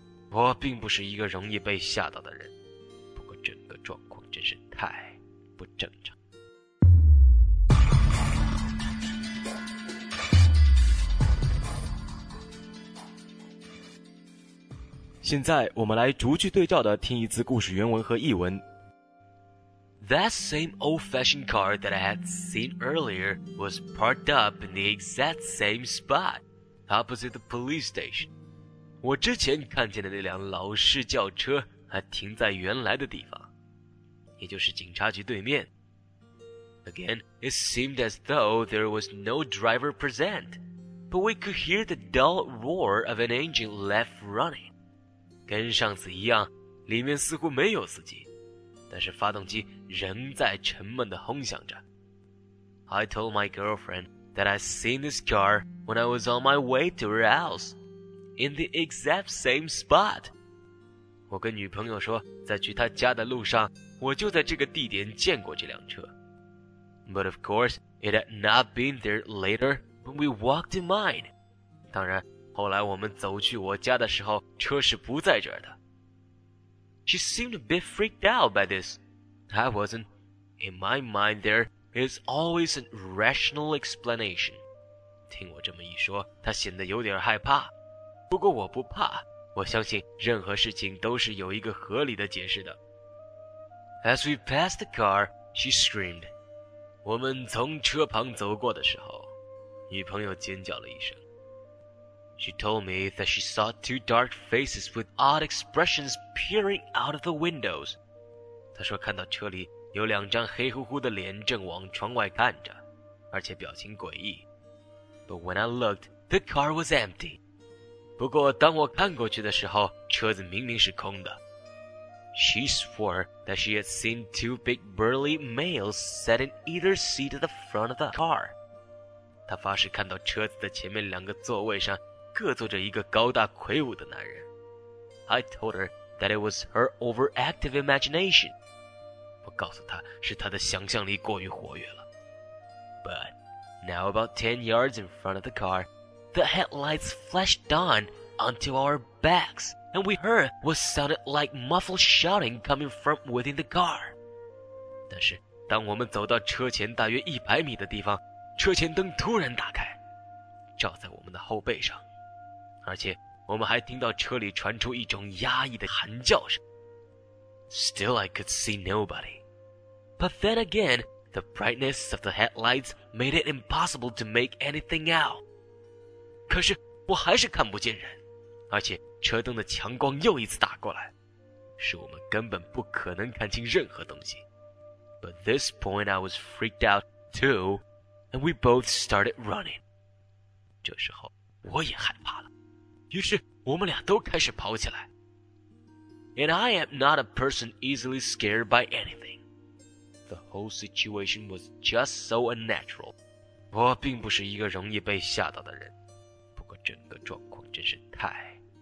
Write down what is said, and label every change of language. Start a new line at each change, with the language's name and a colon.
Chinese: 我并不是一个容易被吓到的人，整个状况真是太不正常。现在我们来逐句对照的听一次故事原文和译文。
English: That same old-fashioned car that I had seen earlier was parked up in the exact same spot, opposite the police station.
Chinese: 我之前看见的那辆劳氏轿车还停在原来的地方。也就是警察局对面。
English: Again, it seemed as though there was no driver present, but we could hear the dull roar of an engine left running.
Chinese: 跟上次一样，里面似乎没有司机，但是发动机仍在沉闷地轰响着。
English: I told my girlfriend that I seen this car when I was on my way to her house, in the exact same spot.
Chinese: 我跟女朋友说，在去她家的路上我就在这个地点见过这辆车。
English: But of course, It had not been there later when we walked in mine.
Chinese: 当然，后来我们走去我家的时候，车是不在这儿的。
English: She seemed a bit freaked out by this. I wasn't. In my mind, there is always a rational explanation.
Chinese: 听我这么一说，她显得有点害怕。不过我不怕，我相信任何事情都是有一个合理的解释的。
English: As we passed the car, she screamed.
Chinese: 我们从车旁走过的时候，女朋友尖叫了一声。
English: She told me that she saw two dark faces with odd expressions peering out of the windows.
Chinese: 她说看到车里有两张黑乎乎的脸正往窗外看着，而且表情诡异。
English: But when I looked, the car was empty.
Chinese: 不过当我看过去的时候，车子明明是空的。
English: She swore that she had seen two big burly males sat in either seat at the front of the car.
Chinese: 她发誓看到车子的前面两个座位上各坐着一个高大魁梧的男人。
English: I told her that it was her overactive imagination.
Chinese: 我告诉她是她的想象力过于活跃了。
English: But now about 10 yards in front of the car, the headlights flashed on onto our backs. And we heard what sounded like muffled shouting coming from within the car.
Chinese: 但是当我们走到车前大约100米的地方，车前灯突然打开，照在我们的后背上，而且我们还听到车里传出一种压抑的喊叫声。
English: Still I could see nobody. But then again, the brightness of the headlights made it impossible to make anything out.
Chinese: 可是我还是看不见人，而且车灯的强光又一次打过来，使我们根本不可能看清任何东西。
English: But this point I was freaked out too, and we both started running.
Chinese: 这时候我也害怕了，于是我们俩都开始跑起来。
English: And I am not a person easily scared by anything. The whole situation was just so unnatural.
Chinese: 我并不是一个容易被吓到的人，不过整个状况真是太……